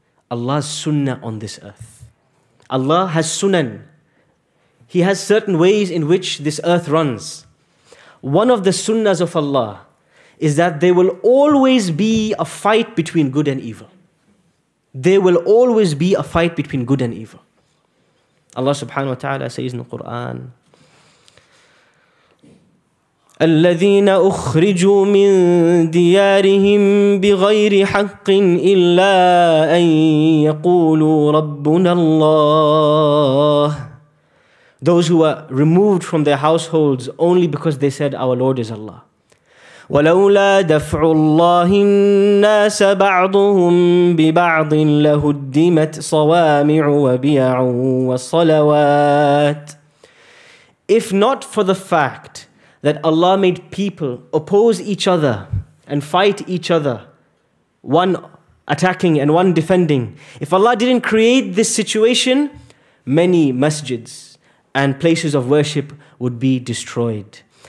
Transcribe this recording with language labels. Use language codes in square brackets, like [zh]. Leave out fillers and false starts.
[en] Allah's sunnah on this earth. Allah has sunan. He has certain ways in which this earth runs. One of the sunnahs of Allah is that there will always be a fight between good and evil. There will always be a fight between good and evil. Allah subhanahu wa ta'ala says in the Quran, [ar] الذين أخرجوا من ديارهم بغير حق إلا أن يقولوا ربنا الله. [en] Those who were removed from their households only because they said our Lord is Allah. [ar] ولولا دفع الله الناس بعضهم ببعض لهدمت صوامع وبيع وصلوات. [en] If not for the fact that Allah made people oppose each other and fight each other, one attacking and one defending. If Allah didn't create this situation, many masjids and places of worship would be destroyed.